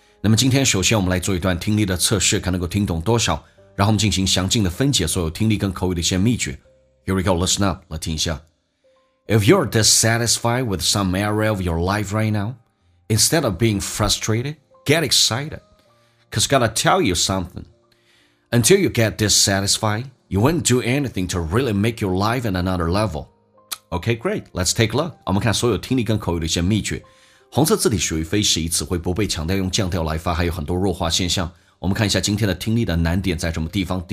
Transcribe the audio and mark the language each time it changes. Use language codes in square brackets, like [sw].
[zh] 那么今天首先我们来做一段听力的测试，看能够听懂多少，然后我们进行详尽的分解所有听力跟口语的一些秘诀。 [en] Here we go, listen up, [zh] 来听一下。 [en] If you're dissatisfied with some area of your life right now, instead of being frustrated, get excited, because gotta tell you something. Until you get dissatisfied, you won't do anything to really make your life at another level. Okay, great. Let's take a look. [zh] 我们看所有听力跟口语的一些秘诀。红色字体属于非时宜词汇，不被强调，用降调来发，还有很多弱化现象。我们看一下今天的听力的难点在什么地方。